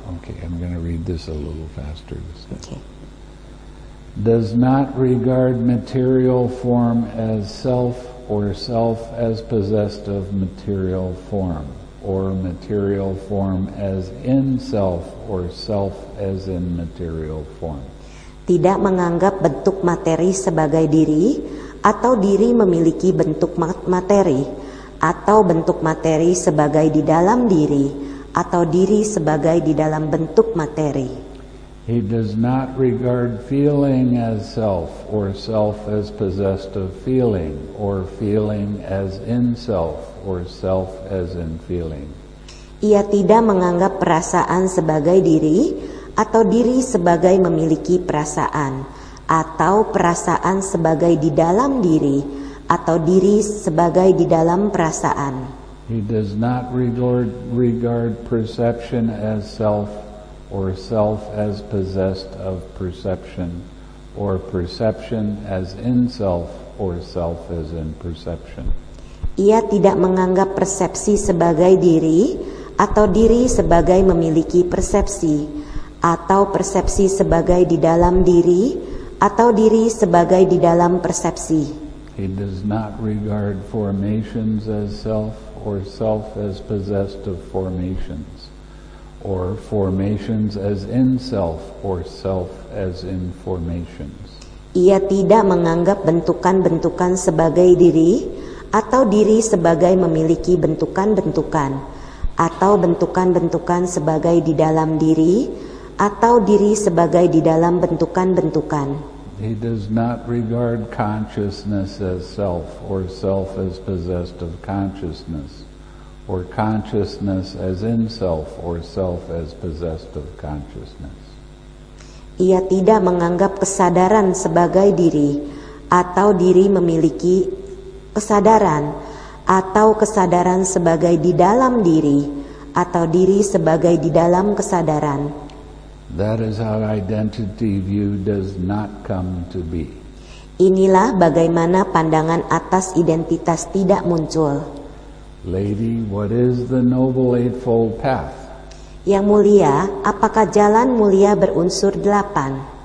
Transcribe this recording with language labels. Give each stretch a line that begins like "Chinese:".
English: Okay, I'm going to read this a little faster. Does not regard material form as self or self as possessed of material form or material form as in self or self as in material form.
Indonesian: Tidak menganggap bentuk materi sebagai diri atau diri memiliki bentuk materi atau bentuk materi sebagai di dalam diri atau diri sebagai di dalam bentuk materi.
English: He does not regard feeling as self or self as possessed of feeling or feeling as in self or self as in feeling.
Indonesian: Ia tidak menganggap perasaan sebagai diri atau diri sebagai memiliki perasaan atau perasaan sebagai di dalam diri atau diri sebagai di dalam perasaan.
English: He does not regard perception as self or self as possessed of perception or perception as in self or self as in perception.
Indonesian: Ia tidak menganggap persepsi sebagai diri atau diri sebagai memiliki persepsi atau persepsi sebagai di dalam diri atau diri sebagai di dalam persepsi.
English: He does not regard formations as self or self as possessed of formations or formations as in self or self as in formations.
Indonesian: Ia tidak menganggap bentukan-bentukan sebagai diri atau diri sebagai memiliki bentukan-bentukan atau bentukan-bentukan sebagai di dalam diri atau diri sebagai di dalam bentukan-bentukan.
English: He does not regard consciousness as self or self as possessed of consciousness or consciousness as in self or self as possessed of consciousness.
Indonesian: Ia tidak menganggap kesadaran sebagai diri atau diri memiliki kesadaran atau kesadaran sebagai di dalam diri atau diri sebagai di dalam kesadaran.
English: That is how identity view does not come to be.
Indonesian: Inilah bagaimana pandangan atas identitas tidak muncul.
English: Lady, what is the Noble Eightfold Path?
Indonesian: Yang mulia, apakah jalan mulia berunsur delapan?